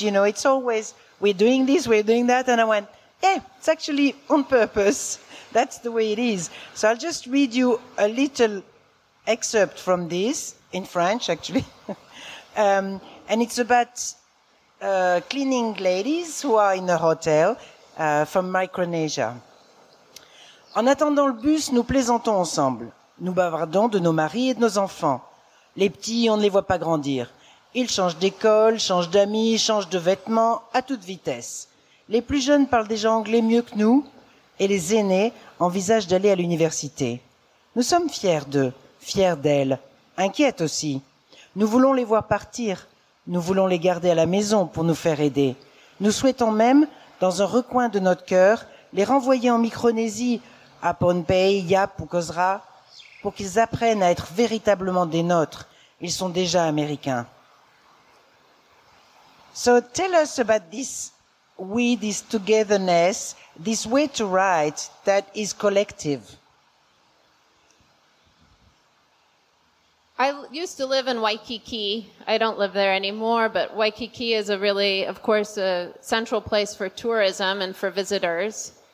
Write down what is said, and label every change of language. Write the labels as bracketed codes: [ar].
[en] You know, it's always, we're doing this, we're doing that. And I went, yeah, it's actually on purpose. That's the way it is. So I'll just read you a little excerpt from this, in French, actually. and it's about cleaning ladies who are in a hotel from Micronesia. [fr] En attendant le bus, nous plaisantons ensemble. Nous bavardons de nos maris et de nos enfants. Les petits, on ne les voit pas grandir. Ils changent d'école, changent d'amis, changent de vêtements à toute vitesse. Les plus jeunes parlent déjà anglais mieux que nous et les aînés envisagent d'aller à l'université. Nous sommes fiers d'eux, fiers d'elles, inquiètes aussi. Nous voulons les voir partir. Nous voulons les garder à la maison pour nous faire aider. Nous souhaitons même, dans un recoin de notre cœur, les renvoyer en Micronésie, à Pohnpei, Yap ou Kosra, pour qu'ils apprennent à être véritablement des nôtres. Ils sont déjà américains. [en] So tell us about this we, this togetherness, this way to write that is collective. I used to live in Waikiki. I don't live there anymore, but Waikiki is a really, of course, a central place for tourism and for visitors.